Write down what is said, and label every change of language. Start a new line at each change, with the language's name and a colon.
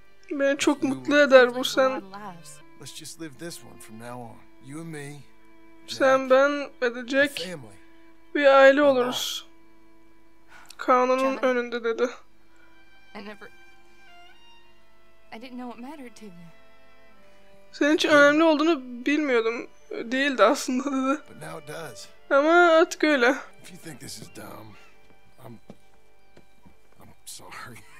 Turkish: Beni çok mutlu eder bu sen.
English: Let's just live this one from now on. You and me.
Turkish: Sen, ben ve de Jack bir aile oluruz. Kanunun önünde dedi.
English: I didn't know what mattered to you.
Turkish: Senin için önemli olduğunu bilmiyordum. Değildi aslında dedi.
English: But now it does.
Turkish: Ama artık öyle.
English: If you think this is dumb, I'm sorry.